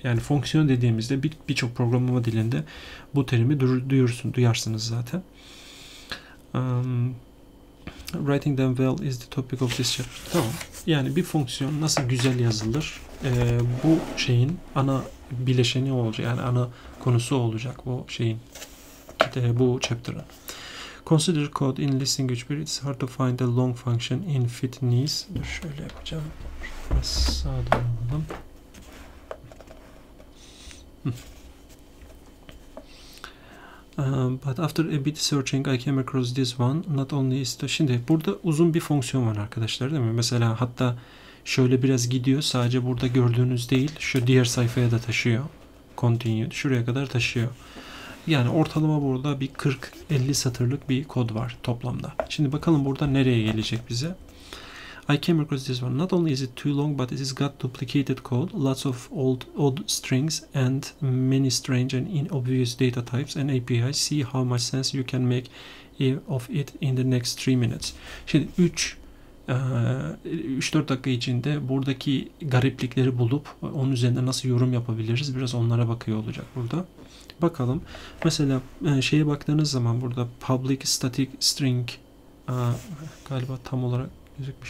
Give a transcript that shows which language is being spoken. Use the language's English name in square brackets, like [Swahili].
[Turkish] Yani fonksiyon dediğimizde birçok programlama dilinde bu terimi duyarsınız zaten. [English] Writing them well is the topic of this chapter. [Turkish] Tamam. Yani bir fonksiyon nasıl güzel yazılır? Bu şeyin ana bileşeni olacak. Yani ana konusu olacak bu şeyin. Bu chapter'ın. [English] Consider code in listing which it's hard to find a long function in fit knees. [Turkish] Dur şöyle yapacağım. Biraz sağdan alalım. [English] But after a bit searching, I came across this one. Not only is the... [Turkish] Şimdi burada uzun bir fonksiyon var arkadaşlar, değil mi? Mesela hatta şöyle biraz gidiyor. Sadece burada gördüğünüz değil, şu diğer sayfaya da taşıyor. Continued. Şuraya kadar taşıyor. Yani ortalama burada bir 40-50 satırlık bir kod var toplamda. Şimdi bakalım burada nereye gelecek bize. [English] I came across this one. Not only is it too long, but it has got duplicated code, lots of odd strings and many strange and obvious data types and APIs. See how much sense you can make of it in the next 3 minutes. [Turkish] Şimdi 3-4 dakika içinde buradaki gariplikleri bulup onun üzerinde nasıl yorum yapabiliriz? Biraz onlara bakıyor olacak burada. Bakalım. Mesela şeye baktığınız zaman burada public static string galiba tam olarak gözükmüş.